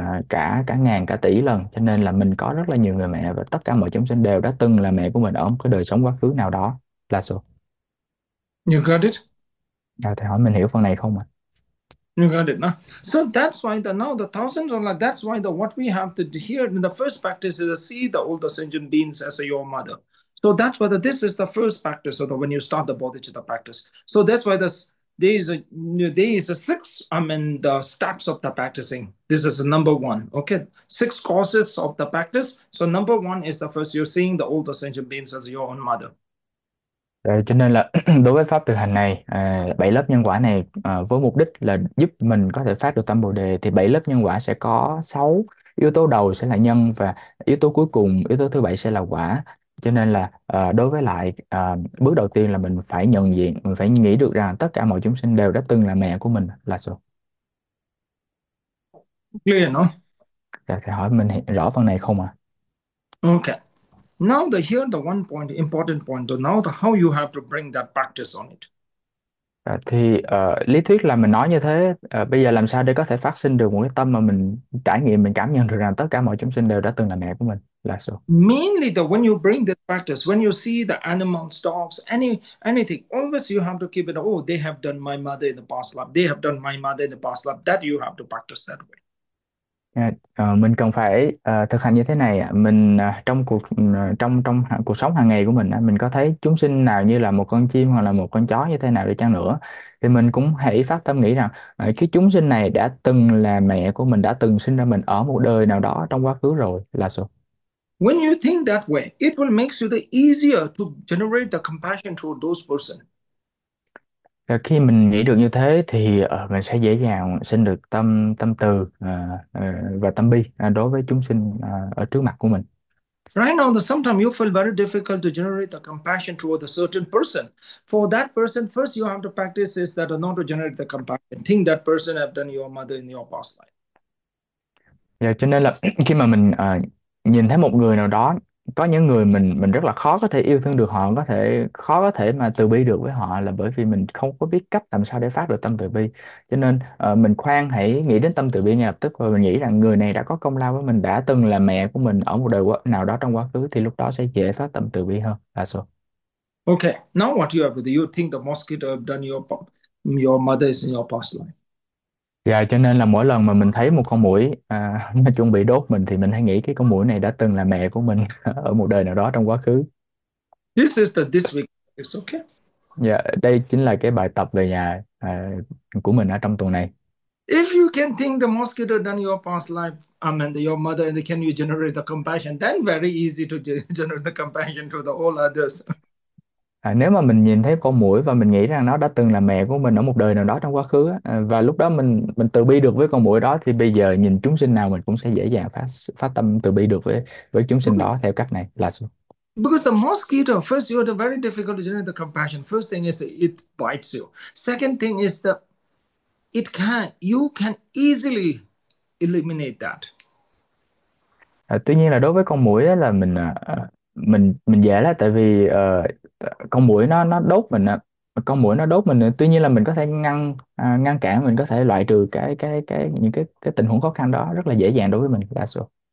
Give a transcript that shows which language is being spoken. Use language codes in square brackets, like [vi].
[vi] cả cả ngàn cả tỷ lần, cho nên là mình có rất là nhiều người mẹ và tất cả mọi chúng sinh đều đã từng là mẹ của mình ở một cái đời sống quá khứ nào đó. Là số. [en] You got it? [vi] Thầy hỏi mình hiểu phần này không ạ? [en] You got it, nah? So that's why the now the thousands are like that's why the what we have to hear in the first practice is to see the all the sentient beings as your mother. So that's why this is the first practice of the when you start the bodhicitta practice. So that's why there is a six the steps of the practicing. This is number one. Okay. Six causes of the practice. So number one is the first you're seeing the all the sentient beings as your own mother. [vi] Cho nên là đối với pháp thực hành này, bảy lớp nhân quả này, với mục đích là giúp mình có thể phát được tâm bồ đề, thì bảy lớp nhân quả sẽ có 6 yếu tố đầu sẽ là nhân, và yếu tố cuối cùng, yếu tố thứ bảy sẽ là quả. Cho nên là đối với lại bước đầu tiên là mình phải nhận diện, mình phải nghĩ được rằng tất cả mọi chúng sinh đều đã từng là mẹ của mình, là sao? [en] Clear [vi] Thầy hỏi mình rõ phần này không ạ? À? không? Okay. [en] Now the here the one point, the important point. So now the how you have to bring that practice on it. [vi] Thì lý thuyết là mình nói như thế, bây giờ làm sao để có thể phát sinh được một cái tâm mà mình trải nghiệm, mình cảm nhận được rằng tất cả mọi chúng sinh đều đã từng là mẹ của mình, là sao? [en] Mainly the when you bring the practice, when you see the animals, dogs, anything, always you have to keep it. Oh, they have done my mother in the past life. They have done my mother in the past life. That you have to practice that way. [vi] Mình cần phải thực hành như thế này ạ. Mình trong cuộc trong trong cuộc sống hàng ngày của mình, mình có thấy chúng sinh nào như là một con chim hoặc là một con chó như thế nào đi chăng nữa, thì mình cũng hãy phát tâm nghĩ rằng cái chúng sinh này đã từng là mẹ của mình, đã từng sinh ra mình ở một đời nào đó trong quá khứ rồi, là sao? [en] When you think that way, it will make you the easier to generate the compassion toward those person. [vi] Khi mình nghĩ được như thế thì mình sẽ dễ dàng sinh được tâm tâm từ và tâm bi đối với chúng sinh ở trước mặt của mình. [en] Right now, sometimes you feel very difficult to generate the compassion toward a certain person. For that person, first you have to practice is that not to generate the compassion. Think that person have done your mother in your past life. [vi] Cho nên là khi mà mình nhìn thấy một người nào đó, có những người mình rất là khó có thể yêu thương được họ, khó có thể mà từ bi được với họ, là bởi vì mình không có biết cách làm sao để phát được tâm từ bi. Cho nên mình khoan hãy nghĩ đến tâm từ bi ngay lập tức, và mình nghĩ rằng người này đã có công lao với mình, đã từng là mẹ của mình ở một đời nào đó trong quá khứ, thì lúc đó sẽ dễ phát tâm từ bi hơn, là sao? [en] Okay, now what you have with you think the mosquito have done your mother is in your past life. [vi] Dạ, cho nên là mỗi lần mà mình thấy một con muỗi nó chuẩn bị đốt mình, thì mình hãy nghĩ cái con muỗi này đã từng là mẹ của mình ở một đời nào đó trong quá khứ. [en] This week is okay. [vi] Dạ, đây chính là cái bài tập về nhà của mình ở trong tuần này. [en] If you can think the mosquito done your past life, your mother, and can you generate the compassion, then very easy to generate the compassion to the all others. [vi] Nếu mà mình nhìn thấy con muỗi và mình nghĩ rằng nó đã từng là mẹ của mình ở một đời nào đó trong quá khứ, và lúc đó mình từ bi được với con muỗi đó, thì bây giờ nhìn chúng sinh nào mình cũng sẽ dễ dàng phát tâm từ bi được với chúng sinh đó theo cách này, là sao? [en] Because the mosquito, first you are very difficult to generate the compassion. First thing is it bites you. Second thing is that it can you can easily eliminate that. [vi] Tuy nhiên là đối với con muỗi là mình dễ, là tại vì con muỗi nó đốt mình, con muỗi nó đốt mình, tuy nhiên là mình có thể ngăn ngăn cản, mình có thể loại trừ những cái tình huống khó khăn đó rất là dễ dàng đối với mình, là sao?